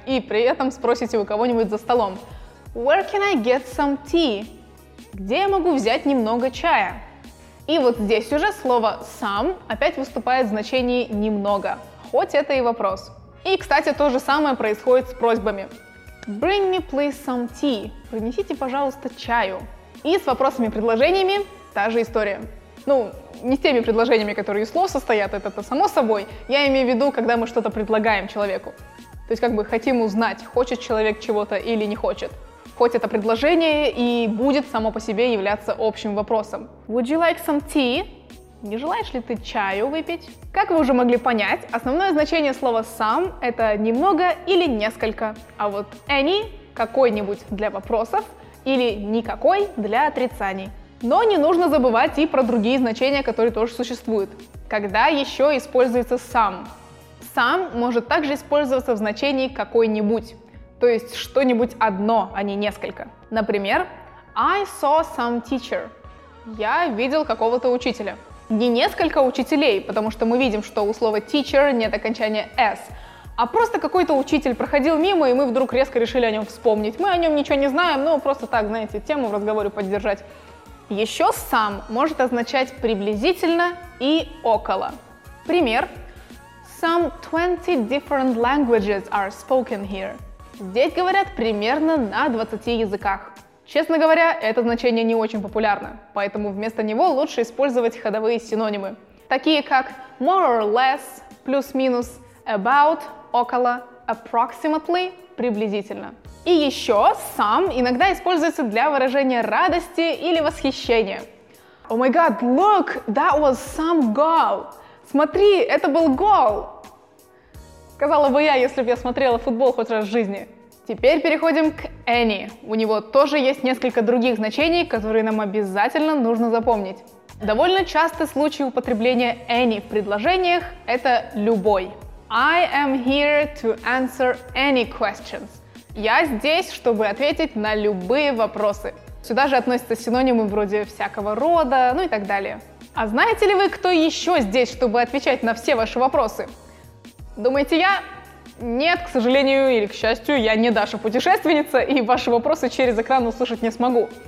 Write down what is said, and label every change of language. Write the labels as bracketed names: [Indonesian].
[Russian] И при этом спросите у кого-нибудь за столом. [English] Where can I get some tea? [Russian] Где я могу взять немного чая? И вот здесь уже слово some опять выступает в значении немного. Хоть это и вопрос. И, кстати, то же самое происходит с просьбами. [English] Bring me please some tea. [Russian] Принесите, пожалуйста, чаю. И с вопросами-предложениями та же история. Ну, не с теми предложениями, которые из слов состоят, это само собой. Я имею в виду, когда мы что-то предлагаем человеку. То есть как бы хотим узнать, хочет человек чего-то или не хочет. Хоть это предложение и будет само по себе являться общим вопросом. [English] Would you like some tea? [Russian] Не желаешь ли ты чаю выпить? Как вы уже могли понять, основное значение слова some – это немного или несколько, а вот any – какой-нибудь для вопросов или никакой для отрицаний. Но не нужно забывать и про другие значения, которые тоже существуют. Когда еще используется some? Some может также использоваться в значении какой-нибудь, то есть что-нибудь одно, а не несколько. [English] Например, I saw some teacher. [Russian] Я видел какого-то учителя. Не несколько учителей, потому что мы видим, что у слова teacher нет окончания s, а просто какой-то учитель проходил мимо, и мы вдруг резко решили о нем вспомнить. Мы о нем ничего не знаем, но просто так, знаете, тему в разговоре поддержать. Еще some может означать приблизительно и около. Пример. [English] Some 20 different languages are spoken here. [Russian] Здесь говорят примерно на 20 языках. Честно говоря, это значение не очень популярно, поэтому вместо него лучше использовать ходовые синонимы. Такие как [English] more or less, [Russian] плюс-минус, about, около, approximately, приблизительно. И еще some иногда используется для выражения радости или восхищения. [English] Oh my god, look, that was some goal. [Russian] Смотри, это был гол. Сказала бы я, если бы я смотрела футбол хоть раз в жизни. Теперь переходим к any. У него тоже есть несколько других значений, которые нам обязательно нужно запомнить. Довольно частый случай употребления any в предложениях – это любой. [English] I am here to answer any questions. [Russian] Я здесь, чтобы ответить на любые вопросы. Сюда же относятся синонимы вроде всякого рода, ну и так далее. А знаете ли вы, кто еще здесь, чтобы отвечать на все ваши вопросы? Думаете, я? Нет, к сожалению или к счастью, я не Даша-путешественница, и ваши вопросы через экран услышать не смогу.